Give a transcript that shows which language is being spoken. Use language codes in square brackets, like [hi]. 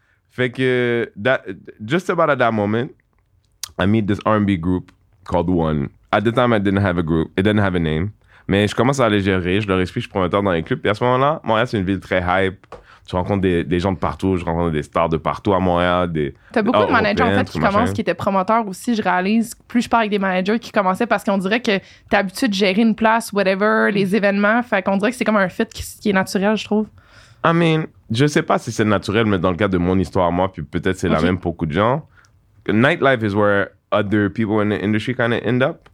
[fr] Fait que, [en] that, just about at that moment, I meet this R&B group called One. At the time, I didn't have a group. It didn't have a name. [fr] Mais je commence à les gérer. Je leur explique, je prends un temps dans les clubs. Et à ce moment-là, Montréal, c'est une ville très hype. Tu rencontres des gens de partout. Je rencontre des stars de partout à Montréal. T'as beaucoup de managers, en fait, qui commencent, qui étaient promoteurs aussi. Je réalise, plus je parle avec des managers qui commençaient parce qu'on dirait que t'as l'habitude de gérer une place, whatever, les événements. Fait qu'on dirait que c'est comme un fit qui est naturel, je trouve. [en] I mean, [fr] je sais pas si c'est naturel, mais dans le cadre de mon histoire, moi, puis peut-être c'est la même pour beaucoup de gens. [en] Nightlife is where other people in the industry kind of end up.